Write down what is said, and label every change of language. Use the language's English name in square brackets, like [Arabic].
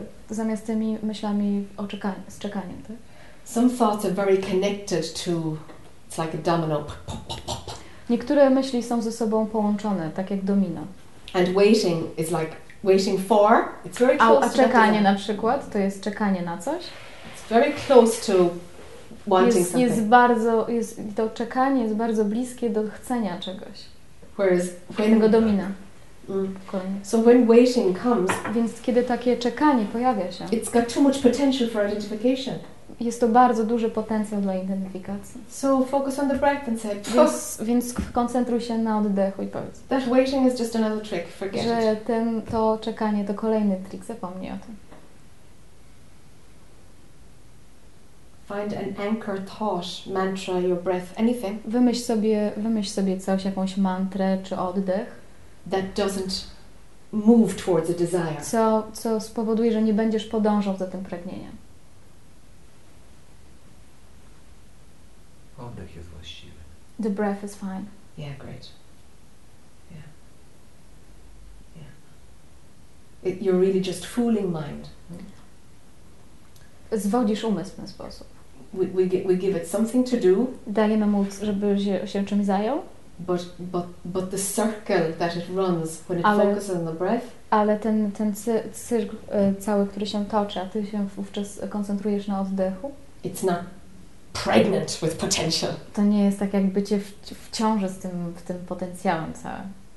[Polish] Zamiast tymi myślami z czekaniem, tak? [English] Some thoughts are very connected to, it's like a domino. [Polish] Niektóre myśli są ze sobą połączone, tak jak domino. [English] And waiting is like waiting for. It's very close. [Polish] A czekanie na przykład, to jest czekanie na coś. [English] It's very close to wanting [Polish] jest, [English] something. [Polish] Jest bardzo, jest, to czekanie jest bardzo bliskie do chcenia czegoś. [English] Whereas when [Polish] tego domina. [English] So when waiting comes, [Polish] więc kiedy takie czekanie pojawia się, [English] it's got too much potential for identification. [Polish] Jest to bardzo duży potencjał dla identyfikacji. [English] So focus on the breath and say, [Polish] więc koncentruj się na oddechu i powiedz. [English] That waiting is just another trick. Forget [Polish] że [English] it. [Polish] Ten to czekanie to kolejny trik. Zapomnij o tym. [English] Find an anchor thought, mantra, your breath, anything. [Polish] Wymyśl sobie coś, jakąś mantrę czy oddech. [English] That doesn't move towards a desire. [Polish] Co spowoduje, że nie będziesz podążał za tym pragnieniem. Oddech jest właściwy. [English] The breath is fine. Yeah, great. Yeah. Yeah. You're really just fooling mind. [Polish] Zwodzisz umysł w ten sposób. [English] We give it something to do. [Polish] Dajemy mu, żeby się czymś zajął. [English] But the circle that it runs when it focuses on the breath. [Polish] Ale ten cyrk cały, który się toczy, a ty się wówczas koncentrujesz na oddechu. [English] It's not pregnant with potential. [Polish] To nie jest tak, jakby cię w ciąży z tym, w tym potencjałem całym.